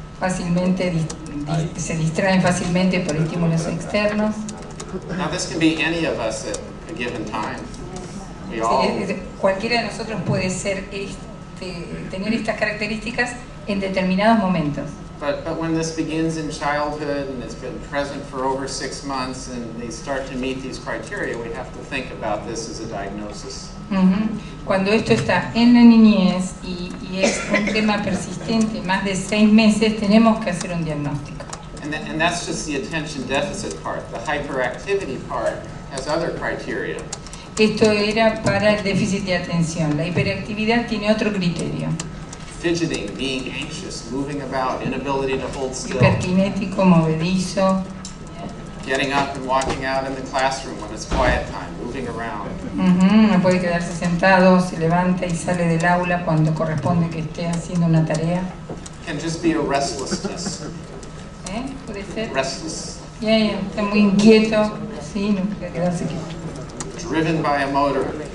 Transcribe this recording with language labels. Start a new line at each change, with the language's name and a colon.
Spanish: Fácilmente se distraen fácilmente por estímulos externos.
English: Now this can be any of us at a given time. We all.
Spanish: Cualquiera de nosotros puede ser tener estas características en determinados momentos.
English: But when this begins in childhood and it's been present for over 6 months and they start to meet these criteria, we have to think about this as a diagnosis. Mm-hmm.
Spanish: Cuando esto está en la niñez y es un tema persistente, más de 6 meses, tenemos que hacer un diagnóstico.
English: And that's just the attention deficit part. The hyperactivity part has other criteria.
Spanish: Esto era para el déficit de atención. La hiperactividad tiene otro criterio.
English: Fidgeting, being anxious, moving about, inability to hold still.
Spanish: Hiperkinético, movedizo.
English: Getting up and walking out in the classroom when it's quiet time, moving. moving around.
Spanish: No puede quedarse sentado, se levanta y sale del aula cuando corresponde que esté haciendo una tarea.
English: Can just be a restlessness.
Spanish: Puede ser.
English: Restless.
Spanish: Está muy inquieto. Sí, no puede quedarse quieto.
English: Driven by a motor.